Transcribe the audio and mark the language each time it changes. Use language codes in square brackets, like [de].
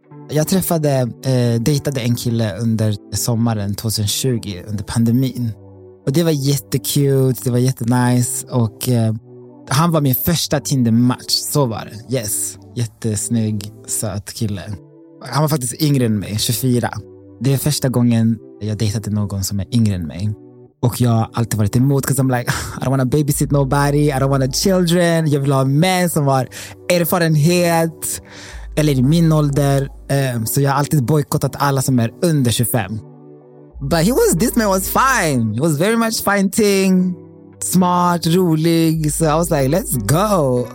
[sv] Jag träffade, dejtade en kille under sommaren 2020 under pandemin. Och det var jättecute, det var jättenice och... Han var min första Tinder-match, så var det. Yes, jättesnygg, söt kille. Han var faktiskt yngre än mig, 24. Det är första gången jag dejtade någon som är yngre än mig. Och jag har alltid varit emot, [en] because I'm like, I don't want to babysit nobody, I don't want children. [sv] Jag vill ha män som har erfarenhet, eller i min ålder. Så jag har alltid boykottat alla som är under 25. [en] But he was, this man was fine. He was very much fine thing. [sv] Smart, rolig. Så [en] I was like, let's go.